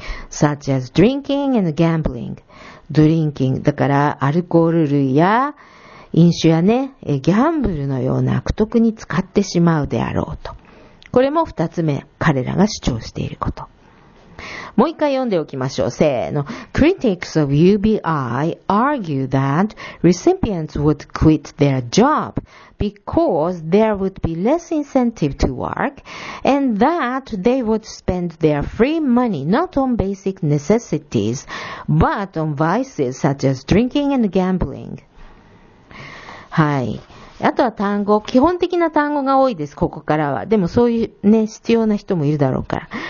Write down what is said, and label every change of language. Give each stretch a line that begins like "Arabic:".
English: such as drinking and gambling.
Japanese: drinking, だからアルコール類や飲酒やね、ギャンブルのような悪徳に使ってしまうであろうと。これも二つ目、彼らが主張していること。もう一回読んでおきましょう。せーの。
English: Critics of UBI argue that recipients would quit their job because there would be less incentive to work and that they would spend their free money not on basic necessities but on vices such as drinking and gambling.
Japanese: はい。あとは単語、基本的な単語が多いです、ここからは。でもそういうね、必要な人もいるだろうから。